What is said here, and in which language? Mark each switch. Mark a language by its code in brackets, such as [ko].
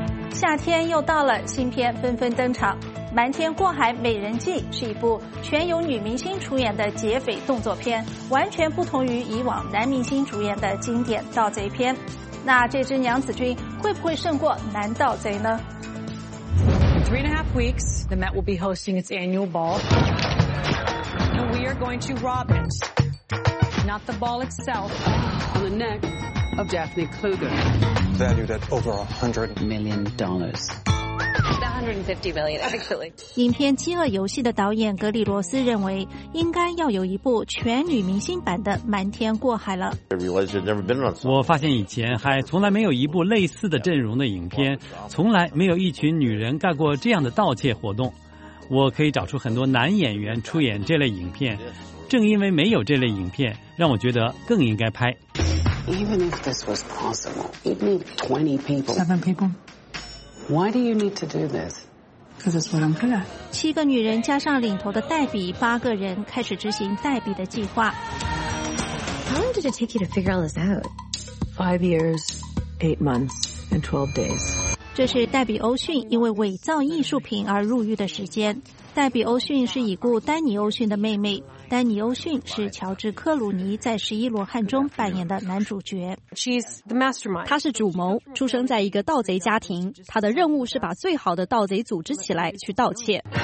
[zh] 夏天又到了，新片纷纷登场。《瞒天过海：美人计》是一部全由女明星出演的劫匪动作片，完全不同于以往男明星主演的经典盗贼片。那这支娘子军会不会胜过男盗贼呢？ [en] Three and a half weeks, the Met will be hosting its annual ball, and we are going to rob it, not the ball itself, on the neck. Of Daphne Kluger. Valued at over $100 million. $150 million, actually. [zh] 影片《饥饿游戏》的导演格里罗斯认为，应该要有一部全女明星版的《瞒天过海》了。我发现以前还从来没有一部类似的阵容的影片，从来没有一群女人干过这样的盗窃活动。我可以找出很多男演员出演这类影片，正因为没有这类影片，让我觉得更应该拍。 [en] Even if this was possible, you'd need 20 people. Seven people. Why do you need to do this? Because it's what I'm good at. [zh] 七个女人加上领头的黛比，八个人开始执行黛比的计划。 [en] How long did it take you to figure all this out? 5 years, 8 months, and 12 days. [zh] 这是黛比·欧逊因为伪造艺术品而入狱的时间。黛比·欧逊是已故丹尼·欧逊的妹妹。丹尼欧逊是乔治克鲁尼在十一罗汉中扮演的男主角。他是主谋，出生在一个盗贼家庭，他的任务是把最好的盗贼组织起来去盗窃。